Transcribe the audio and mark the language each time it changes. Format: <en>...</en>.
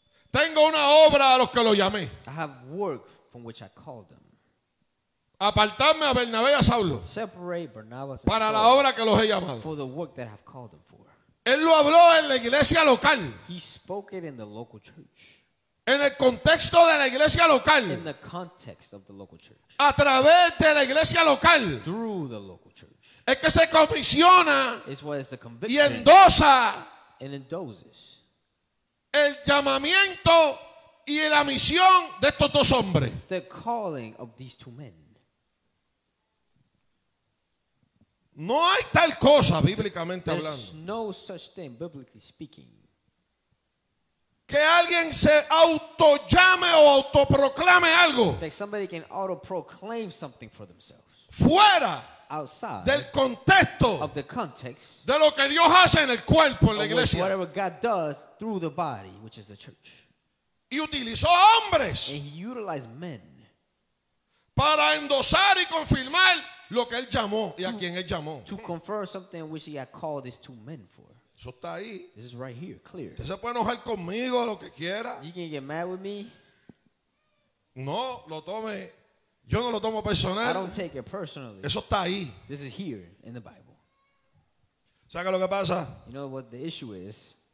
<es>Tengo una obra a los que lo llamé.</es> <en>I have work from which I called them.</en> <es>Apartarme a Bernabé y a Saulo para la obra que los he llamado.</es> <en>For the work that I've called them for.</en> <es>Él lo habló en la iglesia local.</es> <en>He spoke it in the local church.</en> <es>En el contexto de la iglesia local.</es> <en>In the context of the local church.</en> <es>A través de la iglesia local.</es> <en>Through the local church.</en> <es>Es que se comisiona.</es> <en>It's what is the conviction.</en> <es>Y endosa.</es> <en>And endoses.</en> <es>El llamamiento y la misión de estos dos hombres.</es> <en>The calling of these two men.</en> <es>No hay tal cosa bíblicamente hablando.</es> <en>There's no such thing, biblically speaking.</en> <es>Que alguien se autollame o autoproclame algo.</es> <en>That somebody can auto-proclaim something for themselves.</en> <es>Fuera.</es> <en>Outside.</en> <es>Del contexto.</es> <en>Of the context.</en> <es>De lo que Dios hace en el cuerpo, en la iglesia.</es> <en>Whatever God does through the body, which is the church.</en> <es>Y utilizó hombres.</es> <en>And he utilized men.</en> <es>Para endosar y confirmar. Lo que él llamó y a quien él llamó.</es> <en>To confirm something which he had called these two men for.</en> <es>Eso está ahí.</es> <en>This is right here, clear.</en> <es>Usted se puede enojar conmigo lo que quiera.</es> <en>You can get mad with me.</en> <es>No, lo tome. Yo no lo tomo personal.</es> <en>I don't take it personally.</en> <es>Eso está ahí.</es> <en>This is here in the Bible.</en> <es>¿Sabe lo que pasa?</es> <en>You know what the issue is?</en>